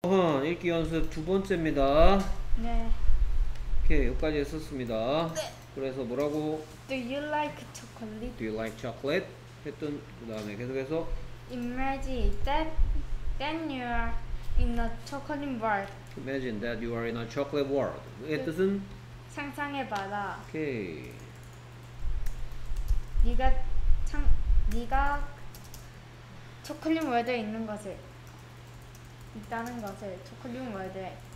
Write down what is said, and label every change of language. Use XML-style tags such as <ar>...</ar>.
<ko>읽기 연습 두 번째입니다. 네. 오케이, 여기까지 했었습니다. 네. 그래서 뭐라고?</ko> <en>Do you like chocolate? Do you like chocolate?</en> <ko>했던 그 다음에 계속해서</ko> <en>Imagine that you are in a chocolate world. Imagine that you are in a chocolate world.</en> <ko>그 뜻은? 상상해봐라. 오케이. 네가 초콜릿 월드에 있는 것을 있다는 것을 초콜릿 월드에.</ko>